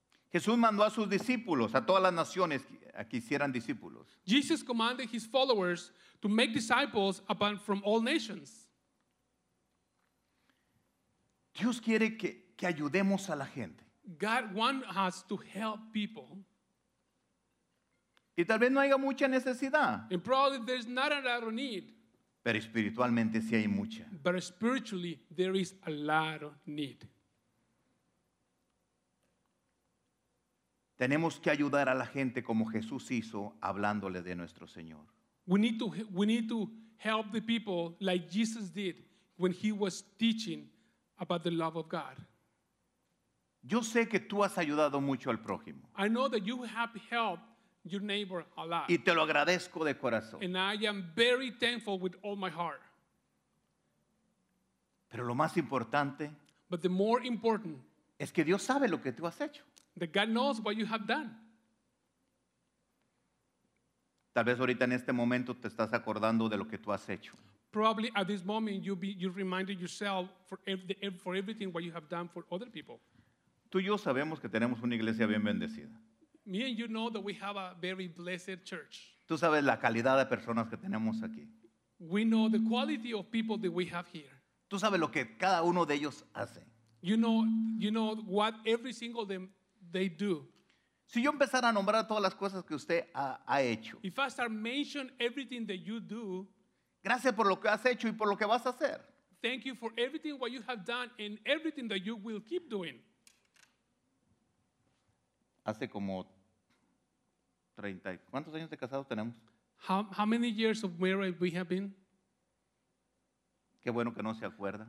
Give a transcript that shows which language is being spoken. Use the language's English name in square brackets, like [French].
[Spanish] Jesús mandó a sus discípulos, a todas las naciones, a que hicieran discípulos. [English] Jesus commanded his followers to make disciples from all nations. [Spanish] Dios quiere que ayudemos a la gente. [English] God wants us to help people. [Spanish] Y tal vez no haya mucha necesidad. [English] And probably there's not a lot of need. [Spanish] Pero espiritualmente sí hay mucha. [English] But spiritually there is a lot of need. [Spanish] Tenemos que ayudar a la gente como Jesús hizo hablándole de nuestro Señor. [English] We need to help the people like Jesus did when he was teaching about the love of God. [Spanish] Yo sé que tú has ayudado mucho al prójimo. [English] I know that you have helped your neighbor a lot. [Spanish] Y te lo agradezco de corazón. [English] And I am very thankful with all my heart. [Spanish] Pero lo más importante, [English] but the more important, [Spanish] es que Dios sabe lo que tú has hecho. [English] That God knows what you have done. [Spanish] Tal vez ahorita en este momento te estás acordando de lo que tú has hecho. [English] Probably at this moment you reminded yourself for everything what you have done for other people. [Spanish] Tú y yo sabemos que tenemos una iglesia bien bendecida. [English] Me and you know that we have a very blessed church. [Spanish] Tú sabes la calidad de personas que tenemos aquí. [English] We know the quality of people that we have here. [Spanish] Tú sabes lo que cada uno de ellos hace. [English] You know what every single of them they do. [Spanish] Si yo empezara a nombrar todas las cosas que usted ha hecho. [English] If I start mention everything that you do. [Spanish] Gracias por lo que has hecho y por lo que vas a hacer. [English] Thank you for everything what you have done and everything that you will keep doing. [Spanish] Hace como 30. ¿Cuántos años de casados tenemos? [English] How many years of marriage we have been? [Spanish] Qué bueno que no se acuerda.